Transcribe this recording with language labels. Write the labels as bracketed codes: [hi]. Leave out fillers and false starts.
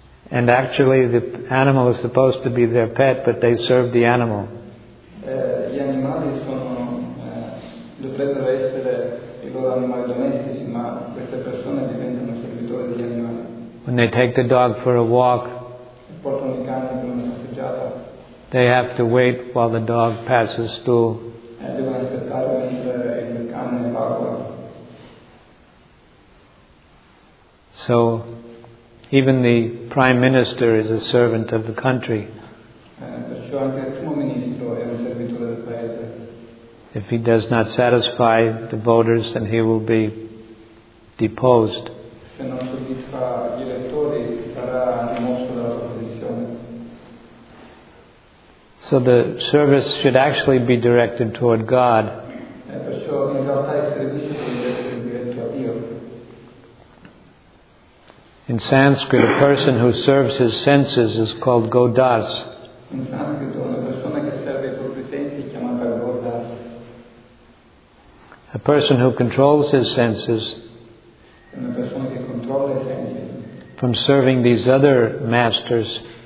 [en] And actually the animal is supposed to be their pet, but they serve the animal. [it] Gli animali sono dovrebbero essere i loro animali domestici, ma queste persone diventano servitori degli animali. [en] When they take the dog for a walk, [it] portano il cane per una passeggiata, [en] they have to wait while the dog passes through. [it] Devono aspettare mentre il cane passa. [en] So, even the prime minister is a servant of the country. [it] Perciò anche il primo ministro è un servitore del paese. [en] If he does not satisfy the voters, then he will be deposed. [it] Se non soddisfa gli elettori, sarà rimosso dalla posizione. [en] So the service should actually be directed toward God. [it] E perciò in realtà il servizio deve essere diretto a Dio. [en] In Sanskrit, a person who serves his senses is called Godas. In Sanskrit, [it] una persona che serve i propri sensi è chiamata Godas. [en] A person who controls his senses. [it] Una persona che controlla i sensi. [en] From serving these other masters,